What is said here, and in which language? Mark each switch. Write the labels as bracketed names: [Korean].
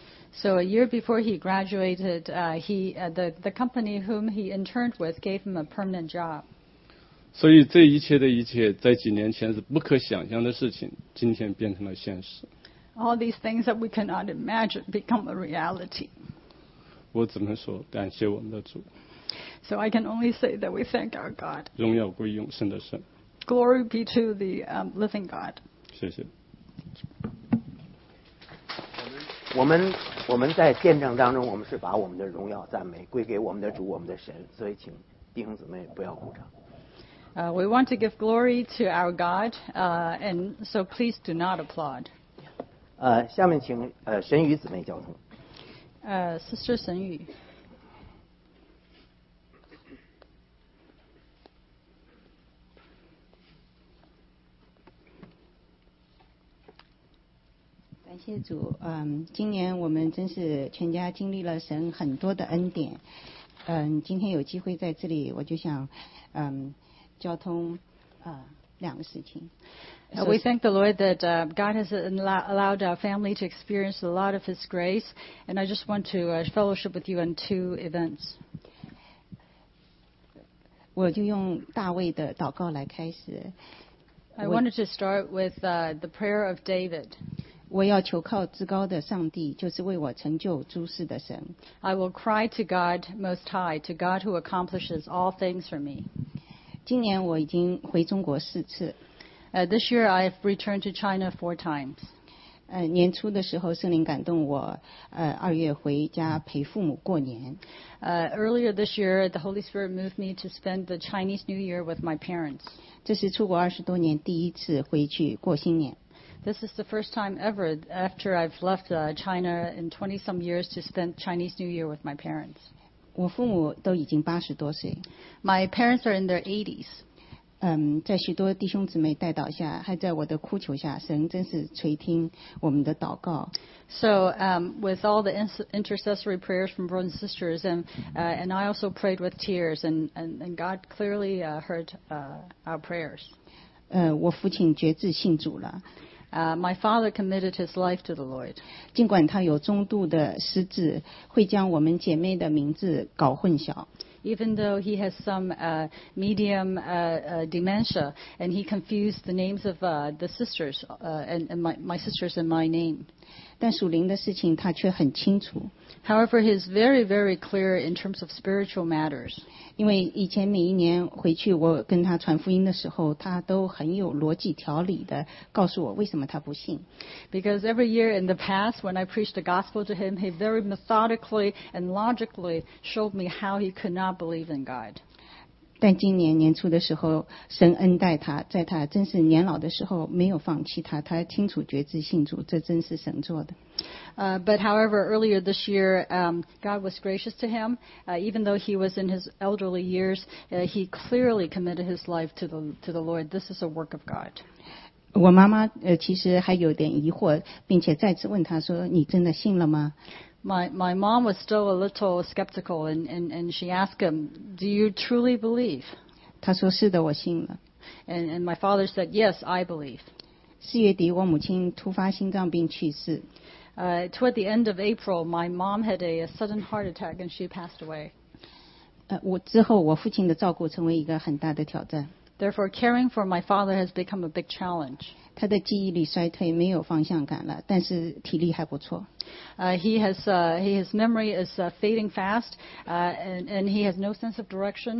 [English] So a year before he graduated, the company whom he interned with gave him a permanent job. [Chinese] 所以这一切的一切，在几年前是不可想象的事情，今天变成了现实。 [English] All these things that we cannot imagine become a reality. [Chinese] 我只能说感谢我们的主。 [English] So I can only say that we thank our God. [Chinese] 荣耀归永生的神。 [English] Glory be to the living God. [Chinese] 谢谢。我们在见证当中，我们是把我们的荣耀赞美归给我们的主，我们的神，所以请弟兄姊妹不要鼓掌。 [English] We want to give glory to our God, and so please do not applaud. [Chinese] 下面请神宇姊妹交通。 [English] Sister 神宇。 [Chinese] 感谢主，今年我们真是全家经历了神很多的恩典。今天有机会在这里，我就想，交通两个事情。 [English] We thank the Lord that God has allowed our family to experience a lot of His grace, and I just want to fellowship with you on two events. [Chinese] 我就用大卫的祷告来开始。 [English] I wanted to start with the prayer of David. [Chinese] 我要求靠至高的上帝，就是为我成就诸事的神。 [English] I will cry to God Most High, to God who accomplishes all things for me. [Chinese] 今年我已经回中国四次。 [English] This year I have returned to China 4 times. [Chinese] 年初的时候圣灵感动我，二月回家陪父母过年。 [English] Earlier this year, the Holy Spirit moved me to spend the Chinese New Year with my parents. [Chinese] 这是出国20多年第一次回去过新年。 [English] This is the first time ever after I've left China in 20-some years to spend Chinese New Year with my parents. [Chinese] 我父母都已经80多岁。 [English] My parents are in their 80s. [Chinese] 在许多弟兄姊妹带导下，还在我的哭求下，神真是垂听我们的祷告。 [English] So with all the intercessory prayers from brothers and sisters, and I also prayed with tears, and God clearly heard our prayers. [Chinese] 我父亲决志信主了。 [English] My father committed his life to the Lord. [Chinese] 尽管他有中度的失智，会将我们姐妹的名字搞混淆。 [English] Even though he has some medium dementia, and he confused the names of the sisters and my sisters and my name. [Chinese] 但属灵的事情他却很清楚。 [English] However, he is very, very clear in terms of spiritual matters. [Chinese] 因为以前每一年回去我跟他传福音的时候，他都很有逻辑条理地告诉我为什么他不信。 [English] Because every year in the past, when I preached the gospel to him, he very methodically and logically showed me how he could not believe in God. [Chinese] 但今年年初的时候神恩待他，在他真是年老的时候没有放弃他，他清楚觉知信主，这真是神做的。 [English] But however, earlier this year, God was gracious to him. Even though he was in his elderly years, he clearly committed his life to the Lord. This is a work of God. [Chinese] 我妈妈其实还有点疑惑，并且再次问他说，你真的信了吗？ [English] My mom was still a little skeptical, and she asked him, "Do you truly believe?" [Chinese] 他说是的，我信了。 [English] And my father said, "Yes, I believe." [Chinese] 四月底，我母亲突发心脏病去世。 [English] Toward the end of April, my mom had a sudden heart attack, and she passed away. [Chinese] 我之后，我父亲的照顾成为一个很大的挑战。 [English] Therefore, caring for my father has become a big challenge. [Chinese] 他的记忆力衰退，没有方向感了，但是体力还不错。 [English] His memory is fading fast, and he has no sense of direction.